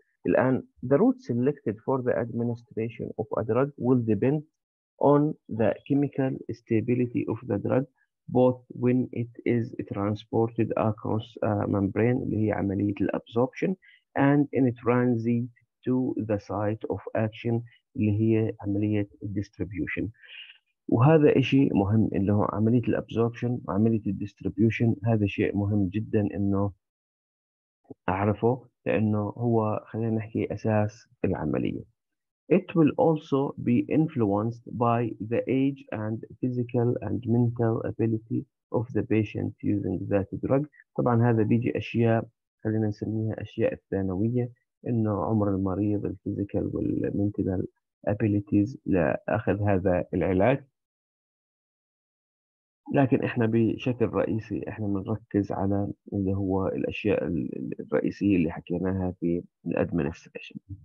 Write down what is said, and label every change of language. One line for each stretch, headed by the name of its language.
English: الان the route selected for the administration of a drug will depend on the chemical stability of the drug both when it is transported across a membrane
Arabic: اللي هي عملية الابسوربشن
English: and in transit to the site of action
Arabic: اللي هي عملية
English: distribution.
Arabic: وهذا إشي مهم، اللي هو عملية الأبزوربشن وعملية الديستريبيوشن. هذا شيء مهم جدا إنه أعرفه، لأنه هو خلينا نحكي أساس العملية.
English: It will also be influenced by the age and physical and mental ability of the patient using that drug.
Arabic: طبعا هذا بيجي أشياء خلينا نسميها أشياء ثانوية، إنه عمر المريض، الفيزيكال والمنتال أبيليتيز لأخذ هذا العلاج. لكن إحنا بشكل رئيسي إحنا بنركز على اللي هو الأشياء الرئيسية اللي حكيناها في الأدمنستريشن.